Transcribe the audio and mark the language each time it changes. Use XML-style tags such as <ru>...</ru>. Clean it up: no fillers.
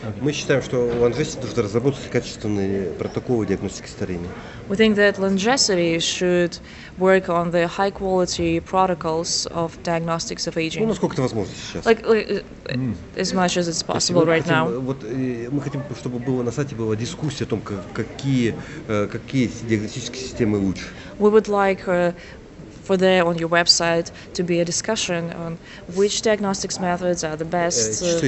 <ru>Мы считаем, что longevity должен разработать качественные протоколы диагностики старения.</ru> <en>We think that longevity should work on the high quality protocols of diagnostics of aging.</en> <ru>Ну, насколько это возможно сейчас.</ru> <en>As much as it's possible right now.</en> <ru>Вот мы хотим, чтобы было на сайте была дискуссия о том, какие диагностические системы лучше.</ru> <en>We would like for there on your website to be a discussion on which diagnostics methods are the best,</en>